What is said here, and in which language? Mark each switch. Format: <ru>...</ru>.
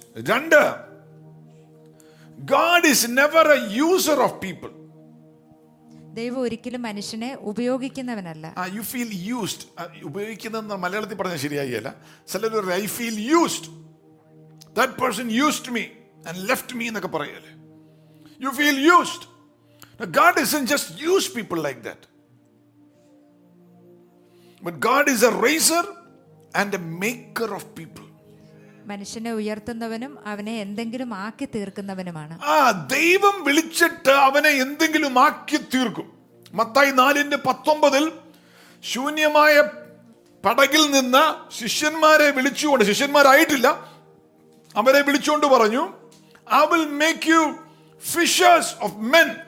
<en>രണ്ട്, God is never a user of people.</en> <ml>ദൈവം ഒരിക്കലും മനുഷ്യനെ ഉപയോഗിക്കുന്നവനല്ല.</ml> <en>You feel used.</en> <ml>ഉപയോഗിക്കുന്ന മലയാളത്തിൽ പറഞ്ഞാൽ ശരിയായില്ല. ചിലര്</ml> <en>I feel used, that person used me and left me</en> <ml>എന്നൊക്കെ പറയല്ലേ.</ml> <en>You feel used. Now God isn't just use people like that. But God is a raiser and a maker of people.</en> <ml>മനുഷ്യനെ ഉയർത്തുന്നവനും അവനെ എന്തെങ്കിലും ആക്കി തീർക്കുന്നവനുമാണ്. ദൈവം വിളിച്ചിട്ട് അവനെ എന്തെങ്കിലും ആക്കി തീർക്കും. മത്തായി 4:19 ശൂന്യമായ പടകിൽ നിന്ന് ശിഷ്യന്മാരെ വിളിച്ചുകൊണ്ട്, ശിഷ്യന്മാരായിട്ടില്ല, അവരെ വിളിച്ചുകൊണ്ട് പറഞ്ഞു,</ml> <en>I will make you fishers of men.</en>